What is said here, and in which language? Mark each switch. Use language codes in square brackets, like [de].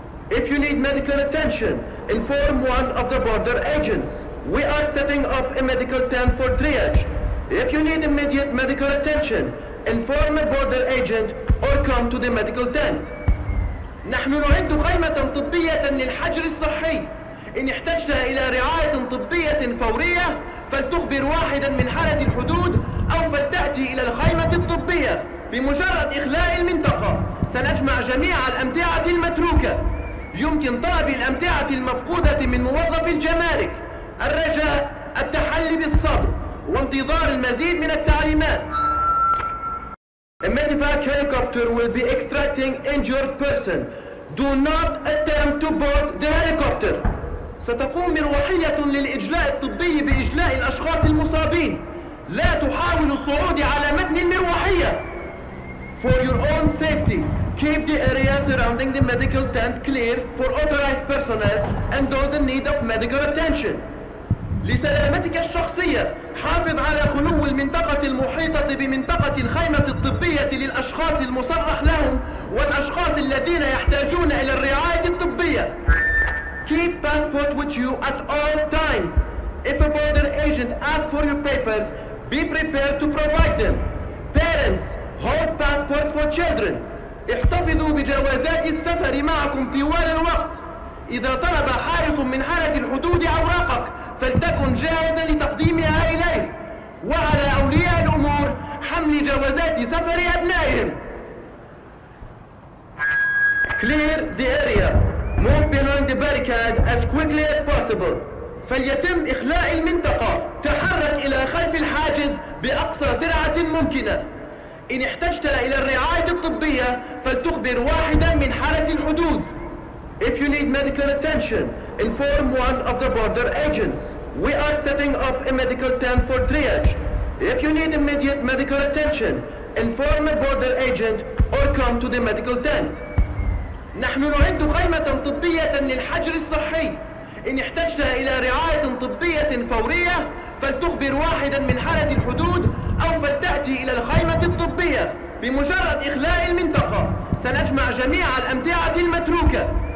[en] If you need medical attention, inform one of the border agents. We are setting up a medical tent for triage. If you need immediate medical attention, inform a border agent or come to the medical tent. [ar] نحن نعد خيمة طبية للحجر الصحي. إن احتجت إلى رعاية طبية فورية فلتخبر واحدا من حرس الحدود أو فلتأتي إلى الخيمة الطبية. بمجرد إخلاء المنطقة سنجمع جميع الأمتعة المتروكة. يمكن طلب الأمتعة المفقودة من موظف الجمارك. الرجاء التحلي بالصبر وانتظار المزيد من التعليمات. [en] A medevac helicopter will be extracting injured person. Do not attempt to board the helicopter. [ar] ستقوم مروحية للإجلاء الطبي بإجلاء الأشخاص المصابين. لا تحاول الصعود على متن المروحية. [en] For your own safety, keep the area surrounding the medical tent clear for authorized personnel and those in need of medical attention. [ar] لسلامتك الشخصية، حافظ على خلو المنطقة المحيطة بمنطقة الخيمة الطبية للأشخاص المصرح لهم والأشخاص الذين يحتاجون إلى الرعاية الطبية. [en] Keep passport with you at all times. If a border agent asks for your papers, be prepared to provide them. Parents, hold passport for children. [ar] احتفظوا بجوازات السفر معكم طوال الوقت. إذا طلب حارس من حرس الحدود أوراقك فلتكن جاهزا لتقديمها إليه. وعلى أولياء الأمور حمل جوازات سفر أبنائهم. [en] Clear the area. Move behind the barricade as quickly as possible. [ar] فليتم إخلاء المنطقة. تحرك إلى خلف الحاجز بأقصى سرعة ممكنة. إن احتجت إلى الرعاية الطبية فلتخبر واحدا من حرس الحدود. [en] If you need medical attention, inform one of the border agents. We are setting up a medical tent for triage. If you need immediate medical attention, inform a border agent or come to the medical tent. [ar] نحن نعد خيمة طبية للحجر الصحي. إن احتجت إلى رعاية طبية فورية فلتخبر واحدا من حرس الحدود أو فلتأتي إلى الخيمة الطبية. بمجرد إخلاء المنطقة سنجمع جميع الأمتعة المتروكة.